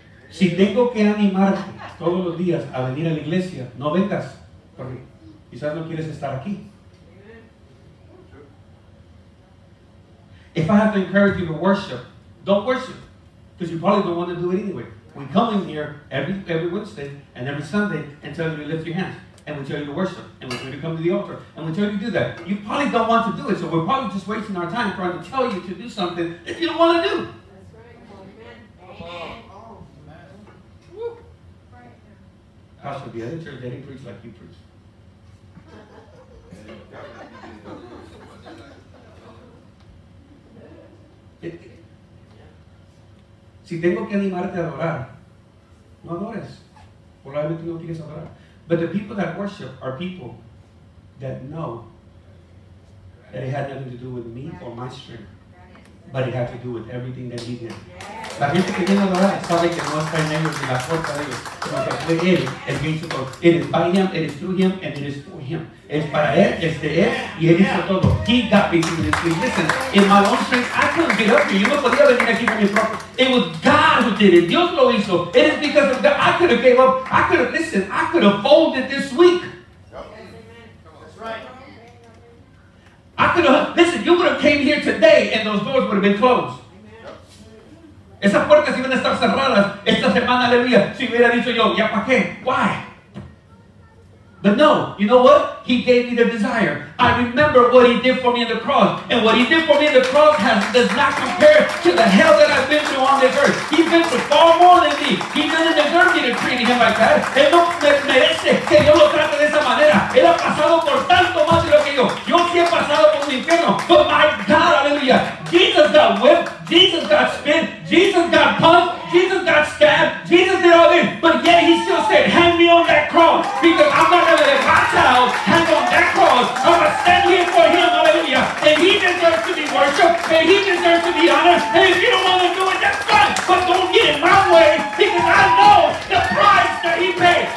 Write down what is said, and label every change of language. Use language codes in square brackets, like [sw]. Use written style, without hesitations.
[es] Si tengo que animarte todos los días a venir a la iglesia, no vengas, porque quizás no quieres estar aquí. [en] If I have to encourage you to worship, don't worship, because you probably don't want to do it anyway. We come in here every Wednesday and every Sunday and tell you to lift your hands. And we tell you to worship. And we tell you to come to the altar. And we tell you to do that. You probably don't want to do it, so we're probably just wasting our time trying to tell you to do something that you don't want to do. That's right. Amen. Pastor, the other church, they didn't preach like you preach. [es] Si tengo que animarte a adorar, no adores. Probablemente no quieres adorar. [en] But the people that worship are people that know that it had nothing to do with me or my strength, but it had to do with everything that he did. [es] La gente que viene a adorar sabe que no está en ellos ni la fuerza de ellos, sino que fue él el que hizo todo. [en] It is by him, it is through him, and it is for him. [es] Es para él, es de él, y él hizo todo. [en] He got me through this thing. Listen, in my own strength, I couldn't get up here. [es] Yo no podía venir aquí con mi propio. [en] It was God who did it. [es] Dios lo hizo. [en] It is because of God. I could have gave up. I could have, listen, I could have folded this week. I could have, listen, you would have came here today and those doors would have been closed. [es] Esas puertas iban a estar cerradas esta semana, aleluya, si hubiera dicho yo, ¿ya para qué? [en] Why? But no, you know what? He gave me the desire. I remember what he did for me in the cross. And what he did for me in the cross does not compare to the hell that I've been through on this earth. He's been through far more than me. He doesn't deserve me to treat him like that. [es] Él no merece que yo lo trate de esa manera. Él ha pasado por tanto más de lo que yo. Yo sí he pasado por un infierno. [en] But my God, aleluya, Jesus got whipped. Jesus got spit, Jesus got punched, Jesus got stabbed, Jesus did all this, but yet he still said, hang me on that cross, because I'm not going to let my child hang on that cross. I'm going to stand here for him, hallelujah, and he deserves to be worshipped, and he deserves to be honored, and if you don't want to do it, that's fine, but don't get in my way, because I know the price that he paid.